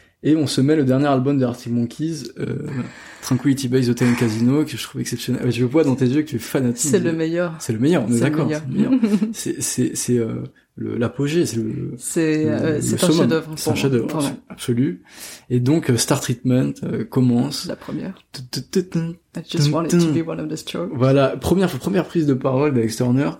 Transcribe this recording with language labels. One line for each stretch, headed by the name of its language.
French: Et on se met le dernier album des Arctic Monkeys, Tranquility Base Hotel and Casino, que je trouve exceptionnel. Je vois dans tes yeux que tu es fanatique. C'est le meilleur. C'est le meilleur, on est d'accord. Meilleur. C'est le meilleur. C'est l'apogée, c'est un chef-d'œuvre. C'est un chef-d'œuvre absolu. Et donc, Star Treatment commence. La première.
English: I just wanted to be one of the Strokes.
French: Voilà, première prise de parole d'Alex Turner.